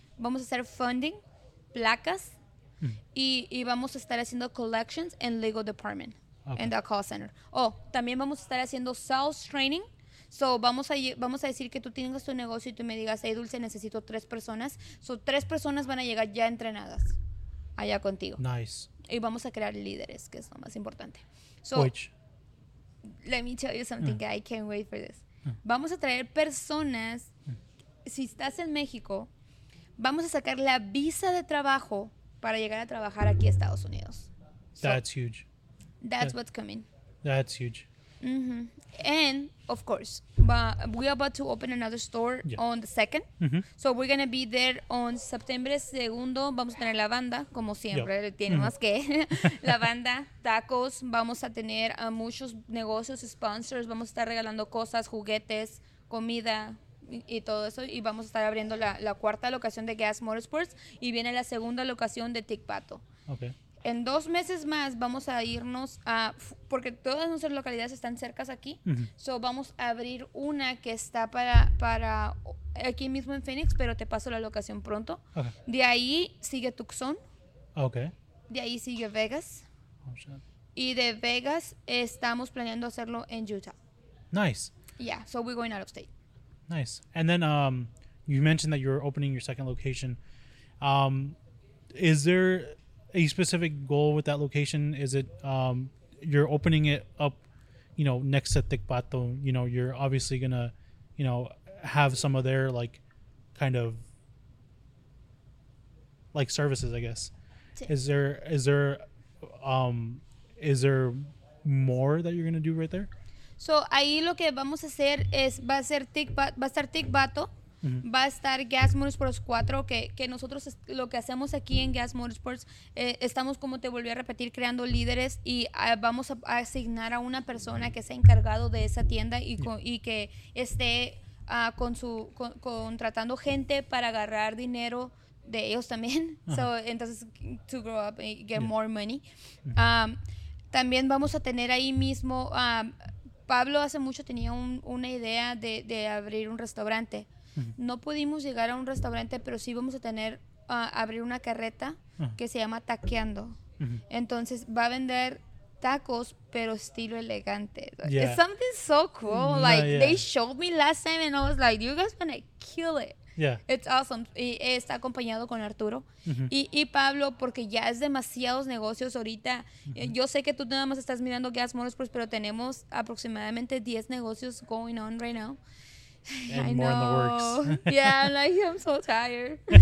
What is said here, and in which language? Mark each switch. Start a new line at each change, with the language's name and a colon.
Spanish: Vamos a hacer funding, placas, y vamos a estar haciendo collections en legal department, en okay.
English: the call center.
Spanish: Oh, también vamos a estar haciendo sales training. So, vamos a decir que tú tengas tu negocio y tú me digas, hey, Dulce, necesito 3 personas. So, 3 personas van a llegar ya entrenadas allá contigo.
English: Nice.
Spanish: Y vamos a crear líderes, que es lo más importante.
English: So, which? Let me tell you something, I can't wait for this.
Spanish: Vamos a traer personas, si estás en México, vamos a sacar la visa de trabajo para llegar a trabajar aquí a Estados Unidos.
English: That's so, huge. That's what's coming. That's huge. Mm-hmm. And, of course, we're about to open another store on the 2nd. Mm-hmm. So we're going to be there on September 2nd.
Spanish: Vamos a tener la banda, como siempre, tiene más que la banda, tacos. Vamos a tener a muchos negocios, sponsors. Vamos a estar regalando cosas, juguetes, comida y todo eso. Y vamos a estar abriendo la cuarta locación de Gas Motorsports. Y viene la segunda locación de Tic Pato.
English: Okay.
Spanish: En 2 meses más vamos a irnos a... Porque todas nuestras localidades están cercas aquí. Mm-hmm. So vamos a abrir una que está para aquí mismo en Phoenix, pero te paso la locación pronto.
English: Okay.
Spanish: De ahí sigue Tucson.
English: Okay.
Spanish: De ahí sigue Vegas.
English: Oh,
Spanish: y de Vegas estamos planeando hacerlo en Utah.
English: Nice. Yeah, so we're going out of state. Nice. And then you mentioned that you're opening your second location. Is there... a specific goal with that location? Is it you're opening it up, you know, next to Tic Pato? You know, you're obviously gonna, you know, have some of their like kind of like services, I guess. Is there more that you're gonna do right there?
Spanish: So ahí lo que vamos a hacer es va a ser Tic Pato. Mm-hmm. Va a estar Gas Motorsports 4, que nosotros lo que hacemos aquí en Gas Motorsports, estamos, como te volví a repetir, creando líderes y vamos a asignar a una persona que sea encargado de esa tienda y que esté contratando gente para agarrar dinero de ellos también. Uh-huh.
English: So, entonces, to grow up and get more money. Mm-hmm.
Spanish: También vamos a tener ahí mismo, Pablo hace mucho tenía una idea de abrir un restaurante. No pudimos llegar a un restaurante, pero sí vamos a tener abrir una carreta que se llama Taqueando. Entonces va a vender tacos, pero estilo elegante.
English: Yeah. It's something so cool. No, like they showed me last time and I was like, you guys gonna kill it. Yeah. It's awesome.
Spanish: Y está acompañado con Arturo y Pablo, porque ya es demasiados negocios ahorita. Yo sé que tú nada más estás mirando Gas Motorsports, pero tenemos aproximadamente 10 negocios
English: going on right now. And I more know. In the works. Yeah, I'm so tired.